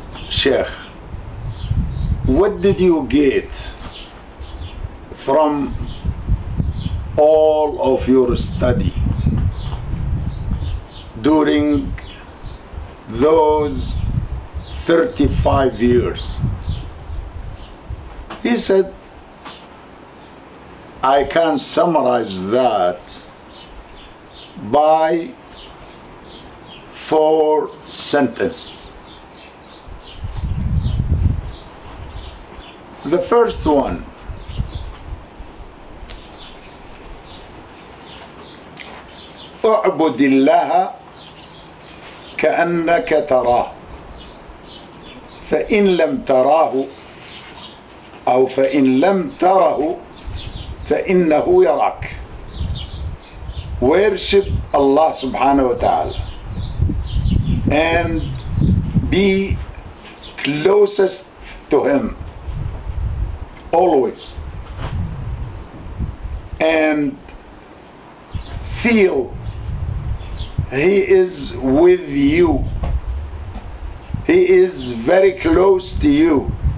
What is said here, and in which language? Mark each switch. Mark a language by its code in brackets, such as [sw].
[en] Sheikh, what did you get from all of your study during those 35 years?" He said, "I can summarize that by four sentences. The first one, [ar] اعبد الله كأنك تراه فإن لم تراه أو فإن لم تره فإنه يراك." [en] Worship Allah subhanahu wa ta'ala and be closest to Him always, and feel He is with you, He is very close to you.